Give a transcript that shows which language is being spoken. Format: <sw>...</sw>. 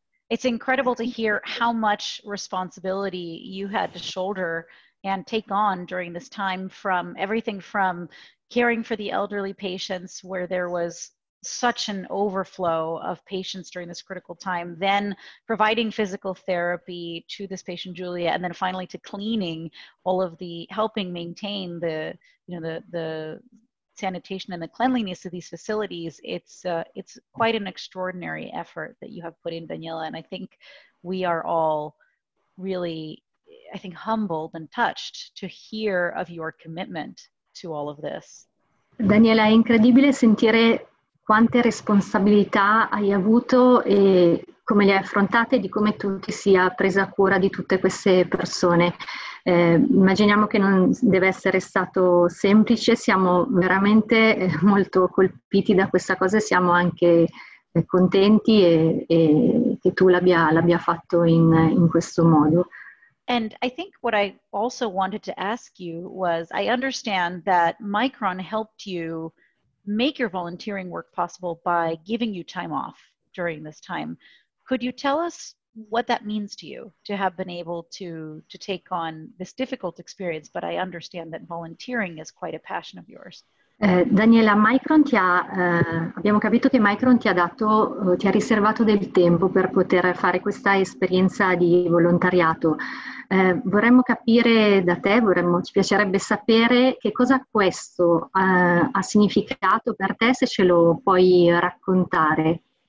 <en>It's incredible to hear how much responsibility you had to shoulder and take on during this time, from everything from caring for the elderly patients, where there was such an overflow of patients during this critical time, then providing physical therapy to this patient, Julia, and then finally to cleaning all of the, helping maintain the, you know, the sanitation and the cleanliness of these facilities. It's quite an extraordinary effort that you have put in, Daniela, and I think we are all really, I think, humbled and touched to hear of your commitment to all of this.</en> <it>Daniela, è incredibile sentire quante responsabilità hai avuto e come le hai affrontate, di come tu ti sia presa cura di tutte queste persone. Immaginiamo che non deve essere stato semplice, siamo veramente molto colpiti da questa cosa e siamo anche contenti e che tu l'abbia fatto in questo modo.</it> <en>And I think what I also wanted to ask you was, I understand that Micron helped you make your volunteering work possible by giving you time off during this time. Could you tell us what that means to you to have been able to take on this difficult experience? But I understand that volunteering is quite a passion of yours.</en> <it>Daniela, Micron ti ha, abbiamo capito che Micron ti ha dato, ti ha riservato del tempo per poter fare questa esperienza di volontariato. Vorremmo capire da te, ci piacerebbe sapere che cosa questo ha significato per te, se ce lo puoi raccontare.</it>